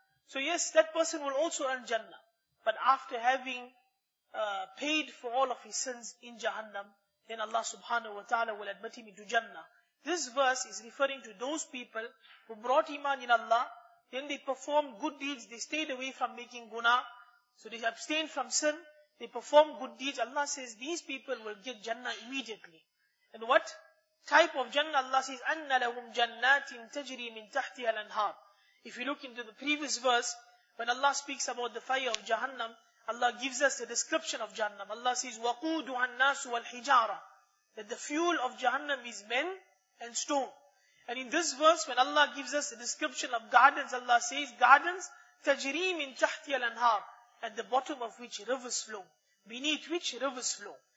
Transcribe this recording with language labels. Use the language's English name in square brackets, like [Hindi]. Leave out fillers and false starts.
[English] So yes, that person will also earn Jannah. But after having paid for all of his sins in Jahannam, then Allah subhanahu wa ta'ala will admit him into Jannah. This verse is referring to those people who brought iman in Allah, then they performed good deeds, they stayed away from making guna, so they abstained from sin, they performed good deeds. Allah says these people will get Jannah immediately. And what type of Jannah? Allah says, [Arabic] أَنَّ لَهُمْ جَنَّاتٍ تَجْرِي مِنْ تَحْتِهَا الْأَنْهَارِ. [English] If you look into the previous verse, when Allah speaks about the fire of Jahannam, Allah gives us the description of Jahannam. Allah says, [Arabic] وَقُودُهَا النَّاسُ وَالْحِجَارَةِ, [English] that the fuel of Jahannam is men and stone. And in this verse, when Allah gives us the description of gardens, Allah says, gardens, [Arabic] تَجْرِي مِنْ تَحْتِيَ الْأَنْهَارِ, [English] at the bottom of which rivers flow, beneath which rivers flow.